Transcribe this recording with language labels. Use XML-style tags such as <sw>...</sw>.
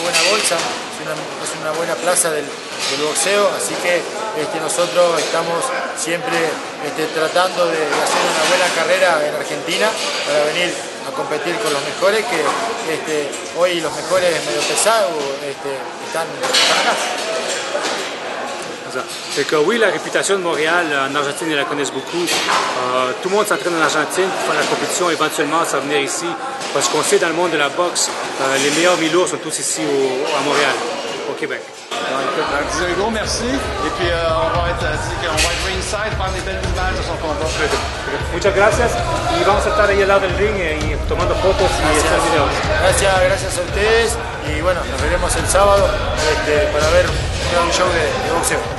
<es>bolsa, es una buena plaza del boxeo, así que nosotros estamos siempre tratando de hacer una buena carrera en Argentina para venir a competir con los mejores, que hoy los mejores medio pesados están acá.</es> <fr>C'est que oui, la réputation de Montréal en Argentine, ils la connaissent beaucoup. Tout le monde s'entraîne en Argentine pour faire la compétition et éventuellement ça va venir ici. Parce qu'on sait, dans le monde de la boxe, les meilleurs mi-lourds sont tous ici à Montréal, au Québec. Un gros merci. Et puis on va être ringside, faire des belles images de son combat.</fr> <es>Muchas gracias. Y vamos a estar ahí al lado del ring y tomando fotos y hacer videos. Gracias, gracias a ustedes. Y bueno, nos veremos el sábado para ver un show de boxeo.</es>